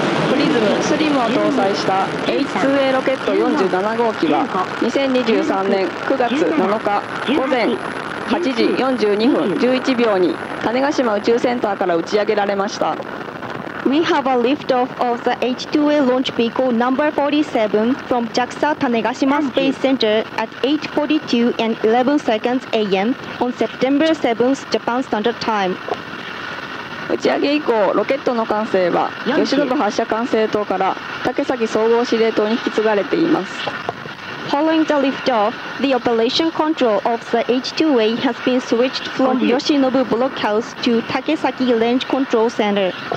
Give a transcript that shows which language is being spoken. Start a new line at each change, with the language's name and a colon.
Japanese: PRISM SLIM を搭載した H-IIA ロケット47号機は2023年9月7日午前8時42分11秒に種子島宇宙センターから打ち上げられました。
English: We have a liftoff of the H-IIA launch vehicle number 47 from JAXA 種子島 Space Center at 8:42 and 11 seconds AM on September 7th Japan Standard Time。
Japanese: 打ち上げ以降、ロケットの管制は吉野部発射管制塔から竹崎総合司令塔に引き継がれています。
English: Following the liftoff, the operation control of the H-2A has been switched from Yoshinobu Blockhouse to Takesaki Range Control Center.